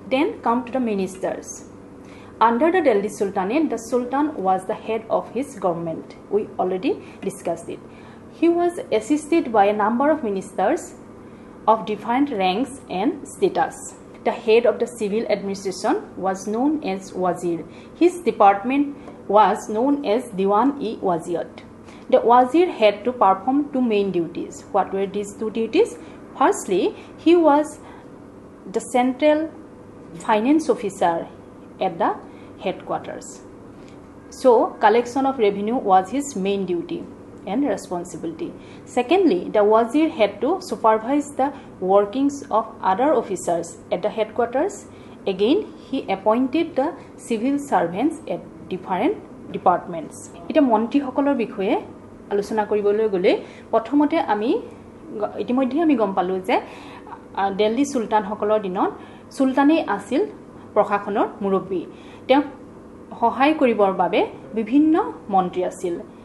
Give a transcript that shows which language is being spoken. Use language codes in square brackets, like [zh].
[en] Then came to the ministers. Under the Delhi sultanate, the sultan was the head of his government, we already discussed it. He was assisted by a number of ministers of different ranks and status. The head of the civil administration was known as wazir, his department was known as Diwan e Waziyat. The Wazir had to perform two main duties. What were these two duties? Firstly, he was the central finance officer at the headquarters. So, collection of revenue was his main duty and responsibility. Secondly, the Wazir had to supervise the workings of other officers at the headquarters. Again, he appointed the civil servants at different departments. [as] এতিয়া মন্ত্ৰীসকলৰ বিষয়ে আলোচনা কৰিবলৈ গ'লে প্ৰথমতে আমি ইতিমধ্যেই আমি গম পালোঁ যে দিল্লী চুলতানসকলৰ দিনত চুলতানেই আছিল প্ৰশাসনৰ মুৰব্বী। তেওঁক সহায় কৰিবৰ বাবে বিভিন্ন মন্ত্ৰী আছিল।